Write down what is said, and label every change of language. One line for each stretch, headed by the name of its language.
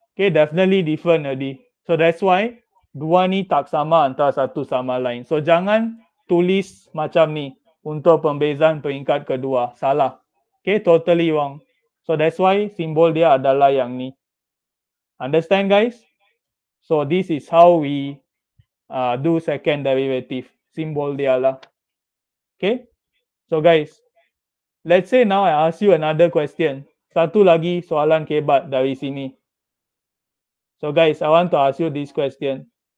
English: Okay, definitely different
Malay: tadi.
English: So that's why
Malay: dua ni tak sama antara satu sama lain. So jangan tulis macam ni untuk pembezaan peringkat kedua. Salah.
English: Okay, totally wrong. So that's why
Malay: simbol dia adalah yang ni.
English: Understand guys? So this is how we do second derivative.
Malay: Simbol dia lah.
English: Okay? So guys, let's say now I ask you another question.
Malay: Satu lagi soalan kebat dari sini.
English: So guys, I want to ask you this question.